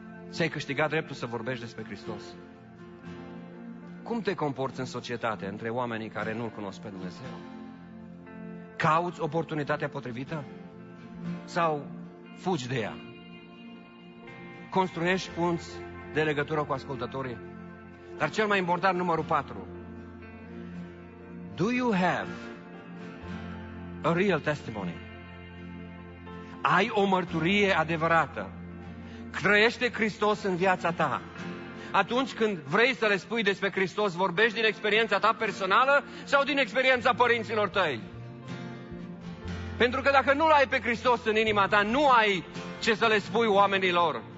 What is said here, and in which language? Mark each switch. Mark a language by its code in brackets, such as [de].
[ro] Ți-ai câștigat dreptul să vorbești despre Hristos? Cum te comporți în societate, între oamenii care nu-L cunosc pe Dumnezeu? Cauți oportunitatea potrivită? Sau fugi de ea? Construiești punți de legătură cu ascultătorii? Dar cel mai important, numărul 4. [en] Do you have a real testimony? [ro] Ai o mărturie adevărată? Trăiește Hristos în viața ta. Atunci când vrei să le spui despre Hristos, vorbești din experiența ta personală sau din experiența părinților tăi? Pentru că dacă nu l-ai pe Hristos în inima ta, nu ai ce să le spui oamenilor.